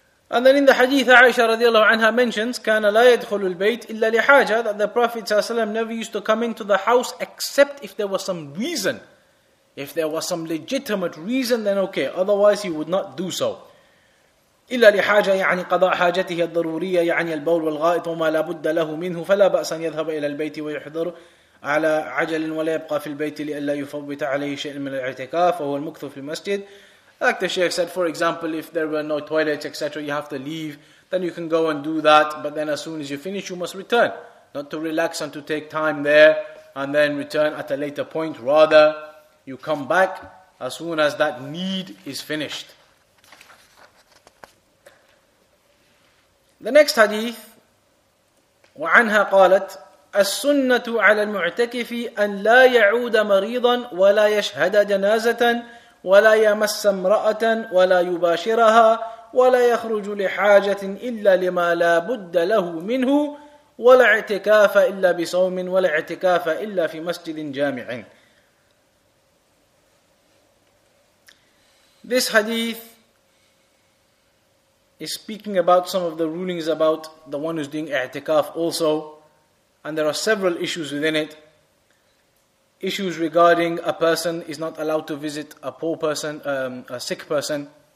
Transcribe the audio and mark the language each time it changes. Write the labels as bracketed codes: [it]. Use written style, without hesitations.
[en] And then in the hadith, Aisha radiallahu anha mentions, [ar] كَانَ لَا يَدْخُلُ الْبَيْتِ إِلَّا لِحَاجَةٍ, [en] that the Prophet ﷺ never used to come into the house except if there was some reason. If there was some legitimate reason, then okay. Otherwise, he would not do so. [ar] إِلَّا لِحَاجَةٍ يَعْنِي قَضَاءَ حَاجَتِهِ الضَّرُورِيَّةِ يَعْنِي الْبَوْلُ وَالْغَائِطُ وَمَا لَابُدَّ لَهُ مِنْهُ فَلَا بَأْسَ أَنْ يَذْهَبَ إِلَى الْبَيْتِ وَيُحْضَرُ على عجل ولا يبقى في البيت لئلا يفوت عليه شيء من الاعتكاف وهو المكث في المسجد. [en] Like the Sheikh said, for example, if there were no toilets, etc., you have to leave, then you can go and do that. But then as soon as you finish, you must return. Not to relax and to take time there and then return at a later point. Rather, you come back as soon as that need is finished. The next hadith, [ar] وَعَنْهَا قَالَتْ السنة على المعتكف أن لا يعود مريضا ولا يشهد جنازة ولا يمس امرأة ولا يباشرها ولا يخرج لحاجة إلا لما لا بد له منه ولا اعتكاف إلا بصوم ولا اعتكاف إلا في مسجد جامع. [en] This hadith is speaking about some of the rulings about the one who's doing i'tikaf also. And there are several issues within it. Issues regarding a person is not allowed to visit a poor person, a sick person.